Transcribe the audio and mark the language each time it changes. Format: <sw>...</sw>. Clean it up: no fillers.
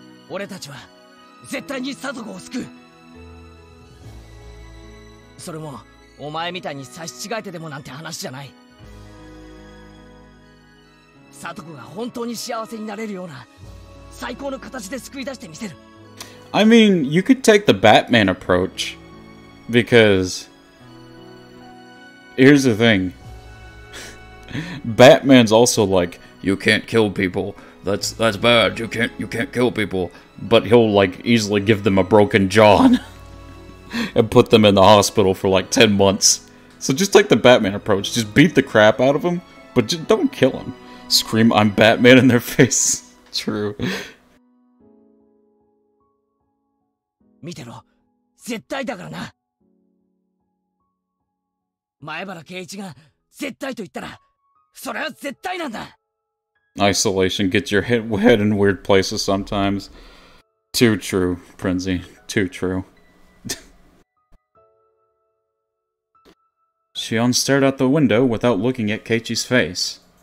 <ja>俺たちは絶対にサトコを救う。それもお前みたいに差し違えてでもなんて話じゃない。サトコが本当に幸せになれるような最高の形で救い出してみせる。</ja> <en>I mean, you could take the Batman approach, because here's the thing. Batman's also like, you can't kill people. That's bad. You can't kill people. But he'll like easily give them a broken jaw and put them in the hospital for like 10 months. So just take the Batman approach. Just beat the crap out of them, but just don't kill them. Scream, I'm Batman in their face. True.</en> <ja>見てろ、絶対だからな。前原圭一が絶対と言ったら、それは絶対なんだ。</ja> <en>Isolation gets your head in weird places sometimes. Too true, Prinzy. Too true. Shion stared out the window without looking at Keiichi's face.</en>